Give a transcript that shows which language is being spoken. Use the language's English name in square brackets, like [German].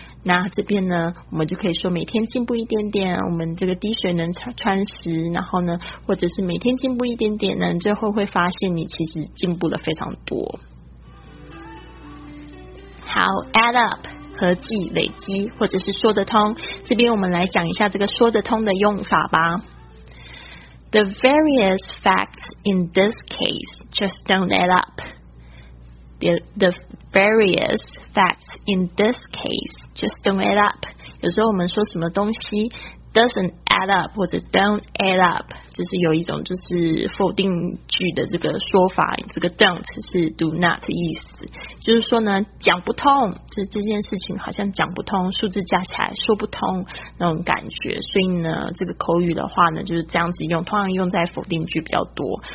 [Chinese] 那这边呢，我们就可以说每天进步一点点，我们这个滴水能穿石，然后呢，或者是每天进步一点点呢，最后会发现你其实进步了非常多。好 ，add up 合计累积，或者是说得通。这边我们来讲一下这个说得通的用法吧。 [English] The various facts in this case just don't add up. The various facts in this case just don't add up. [Chinese] 有时候我们说什么东西 [English] doesn't [Chinese] add up 或者 [English] don't add up， [Chinese] 就是有一种就是否定句的这个说法，这个 don't 是 do not 意思，就是说呢讲不通，就是这件事情好像讲不通，数字加起来说不通那种感觉。所以呢这个口语的话呢就是这样子用，通常用在否定句比较多。